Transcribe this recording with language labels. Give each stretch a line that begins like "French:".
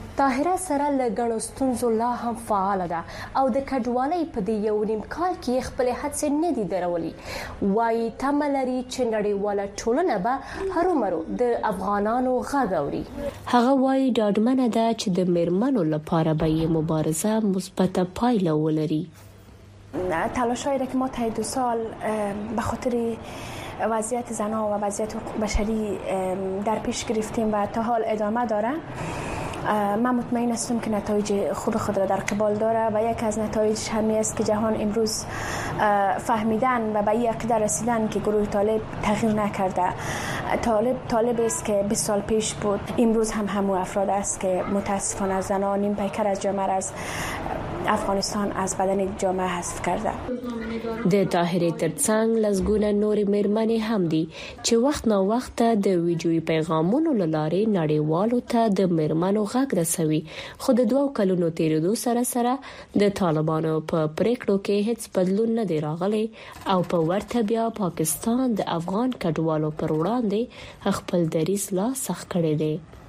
Pashto: طاهره سره له ګڼو ستونزو لا هم فعاله ده او د کډوالۍ په دې یو نیم کال کې خپلې هڅې نه دي درولې. وایي تمه لري چې نړیواله ټولنه به هرومرو د افغانانو غږ اوري. هغه وایي ډاډمنه ده چې د میرمنو لپاره به یې مبارزه مثبته پایله ولري.
Persian: تلاشایی را که ما تای 2 سال به خاطر وضعیت زنها و وضعیت بشری در پیش گرفتیم و تا حال ادامه داره، من مطمئن استم که نتایج خوب خود را در قبال داره و یک از نتایجش همی است که جهان امروز فهمیدن و به این عقیده رسیدن که گروه طالب تغییر نکرده. طالب است که 20 سال پیش بود، امروز هم همو افراد است که متاسفانه زنها نیم پیکر از جامعه از افغانستان، از بدن جامعه حذف کرده.
Pashto: د طاهره ترڅنګ لزګونه نورې مېرمنې هم دي چې وخت نا وخت د ویډیوي پیغامونو له لارې نړیوالو ته د مېرمنو غږ رسوي، خو د 2 کلونو تیریدو سره سره د طالبانو په پریکړو کې هیڅ بدلون نه دی راغلی او په ورته بیا پاکستان د افغان کډوالو پر وړاندې خپل دریز لا سخت کړی دی.